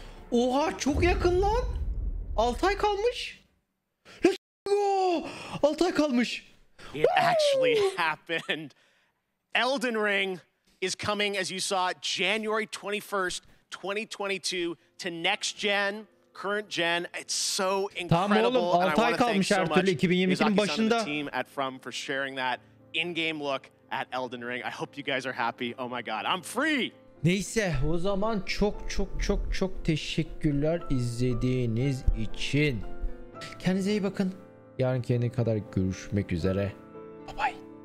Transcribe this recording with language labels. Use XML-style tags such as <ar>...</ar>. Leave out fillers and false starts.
<tr>Oha, çok yakın lan. 6 ay kalmış.</tr> <en>Let's go!</en> <tr>6 ay kalmış.</tr> <en>It actually happened. Elden Ring is coming, as you saw, January 21st, 2022. To next gen, current gen, it's so incredible.</en> <tr>Tamam oğlum, 6 ay kalmış her türlü 2022'nin başında.</tr> <en>The team at From for sharing that in-game look at Elden Ring. I hope you guys are happy. Oh my god, I'm free.</en> <tr>Neyse, o zaman çok çok çok çok teşekkürler izlediğiniz için. Kendinize iyi bakın. Yarınki yayına kadar görüşmek üzere. Bye bye.</tr>